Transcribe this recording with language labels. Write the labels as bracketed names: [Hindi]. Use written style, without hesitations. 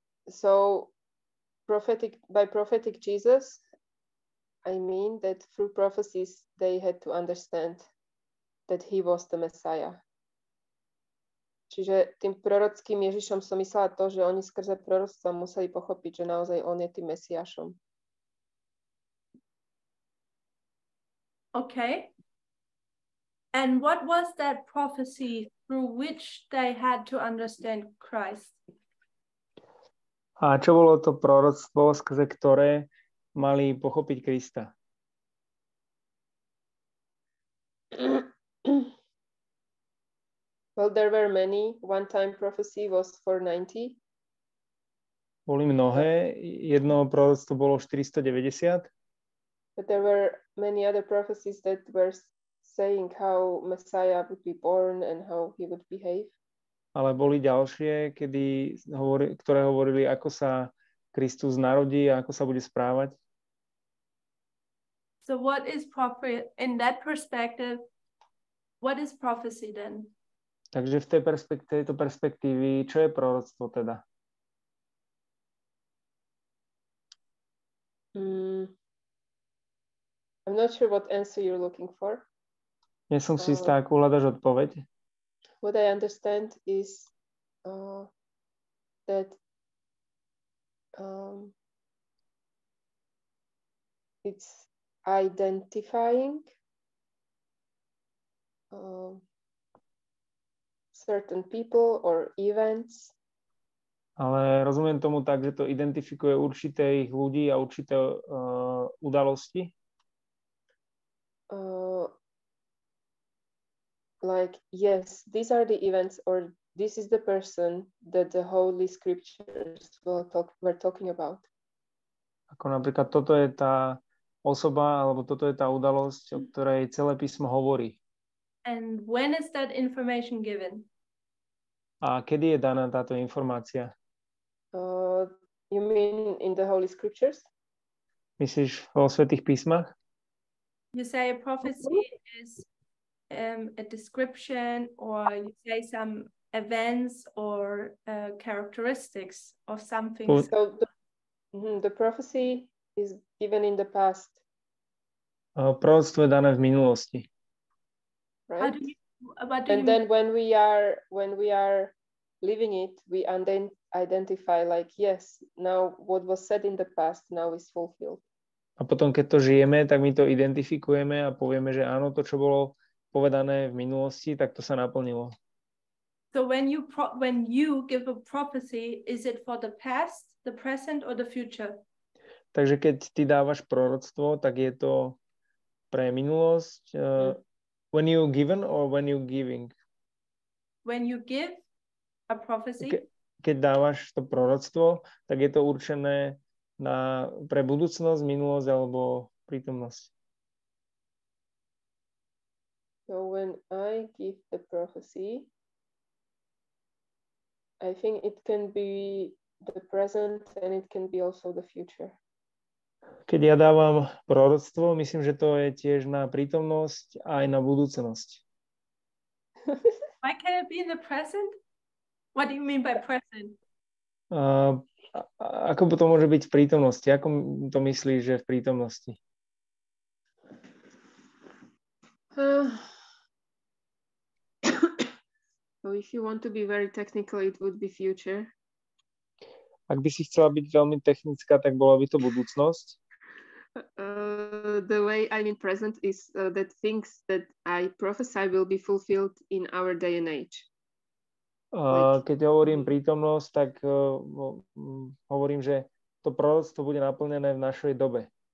[English] So, prophetic Jesus, I mean that through prophecies they had to understand that he was the Messiah. [Slovak] Čiže tým prorockým Ježišom som myslela to, že oni skrze proroctva museli pochopiť, že naozaj on je tým Mesiášom. [English] Okay. And what was that prophecy through which they had to understand Christ? [Slovak] A čo bolo to proroctvo, skrze ktoré mali pochopiť Krista? [English] Well, there were many. One time prophecy was 490. [Slovak] Boli mnohé. Jedno proroctvo bolo 490. [English] But there were many other prophecies that were saying how Messiah would be born and how he would behave. [Slovak] Ale boli ďalšie, ktoré hovorili, ako sa Kristus narodí a ako sa bude správať. [English] So what is prophecy in that perspective? What is prophecy then? [Slovak] Takže v tejto perspektívy, čo je proroctvo teda? [English] I'm not sure what answer you're looking for. [Slovak] Nie som si istá, akú hľadaš odpoveď. [English] What I understand is that it's identifying certain people or events. [Slovak] Ale rozumiem tomu tak, že to identifikuje určité ich ľudí a určité udalosti. [English] Like yes, these are the events or this is the person that the Holy Scriptures were talking about. [Slovak] Ako napríklad toto je tá osoba alebo toto je tá udalosť, o ktorej celé písmo hovorí. [English] And when is that information given? [Slovak] A kedy je daná táto informácia? [English] You mean in the Holy Scriptures? [Slovak] Myslíš vo Svätých písmach? [English] You say a prophecy is a description, or you say some events or characteristics of something. So the prophecy is given in the past. [Slovak] Proroctvo je dané v minulosti. [English] Right? When we are living it, we identify like, yes, now what was said in the past now is fulfilled. [Slovak] A potom, keď to žijeme, tak my to identifikujeme a povieme, že áno, to, čo bolo povedané v minulosti, tak to sa naplnilo. [English] So when you give a prophecy, is it for the past, the present or the future? [Slovak] Takže keď ty dávaš proroctvo, tak je to pre minulosť. [English] When you given or when you giving? When you give a prophecy. [Slovak] Keď dávaš to proroctvo, tak je to určené pre budúcnosť, minulosť alebo prítomnosť. [English] So when I give the prophecy, I think it can be the present and it can be also the future. [Slovak] Keď ja dávam proroctvo, myslím, že to je tiež na prítomnosť aj na budúcnosť. [English] Why can it be in the present? What do you mean by present? [Slovak] Ako to môže byť v prítomnosti? Ako to myslíš, že v prítomnosti? [English] Well, if you want to be very technical, it would be future. [Slovak] Ak by si chcela byť veľmi technická, tak bola by to budúcnosť. [English] The way I mean present is that things that I prophesy will be fulfilled in our day and age. [Slovak] Keď hovorím prítomnosť, tak hovorím, že to proroctvo bude naplnené v našej dobe.